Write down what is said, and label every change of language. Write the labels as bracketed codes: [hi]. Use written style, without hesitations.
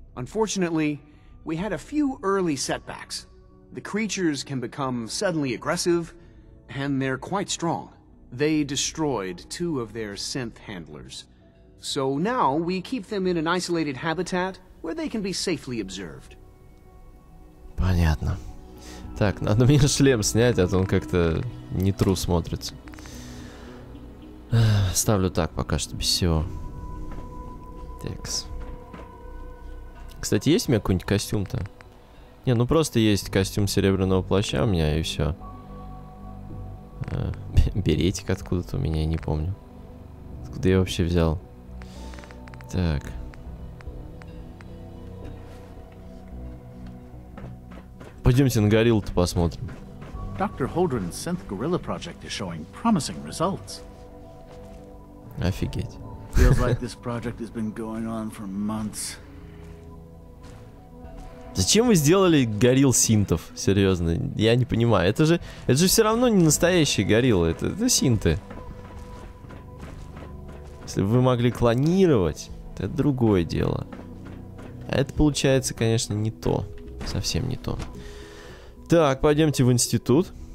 [en] Unfortunately, we had a few early setbacks. The creatures can become suddenly aggressive, and they're quite strong. They destroyed two of their synth handlers. So now we keep them in an isolated habitat where they can be safely observed. [ru] Понятно. Так, надо мне шлем снять, а то он как-то не тру смотрится. Ставлю так пока что без всего. Текс. Кстати, есть у меня какой-нибудь костюм-то? Не, ну просто есть костюм серебряного плаща у меня и все. Беретик откуда-то у меня, я не помню. Откуда я вообще взял? Так. Пойдемте на гориллу-то посмотрим. [en] Dr. Holdren's Synth Gorilla Project is showing promising results. [ru] Офигеть. [en] Feels like this project has been going on for months. [ru] Зачем вы сделали горилл синтов? Серьезно, я не понимаю. Это же все равно не настоящие гориллы, это синты. Если бы вы могли клонировать... Это другое дело. А это получается, конечно, не то. Совсем не то. Так, пойдемте в институт.